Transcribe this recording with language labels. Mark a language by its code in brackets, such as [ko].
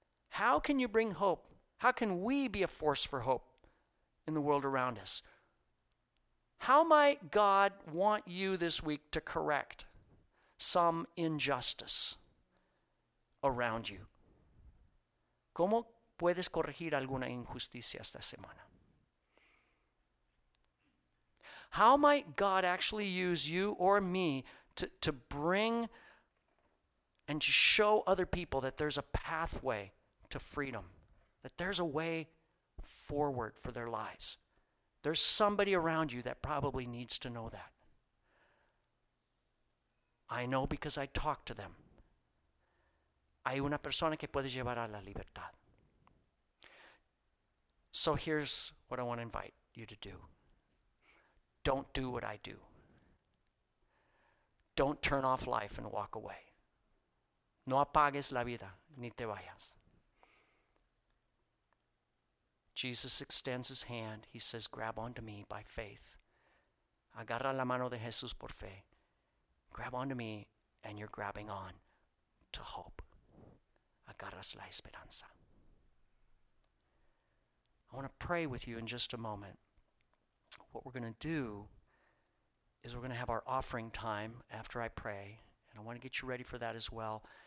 [en] How can you bring hope? How can we be a force for hope in the world around us? How might God want you this week to correct some injustice around you? [es] ¿Cómo puedes corregir alguna injusticia esta semana? [en] How might God actually use you or me to bring and to show other people that there's a pathway to freedom, that there's a way forward for their lives? There's somebody around you that probably needs to know that. I know because I talk to them. [es] Hay una persona que puede llevar a la libertad. [en] So here's what I want to invite you to do. Don't do what I do. Don't turn off life and walk away. [es] No apagues la vida, ni te vayas. [en] Jesus extends his hand. He says, grab onto me by faith. [es] Agarra la mano de Jesús por fe. [en] Grab onto me, and you're grabbing on to hope. [es] Agarras la esperanza. [en] I want to pray with you in just a moment. What we're going to do is we're going to have our offering time after I pray, and I want to get you ready for that as well.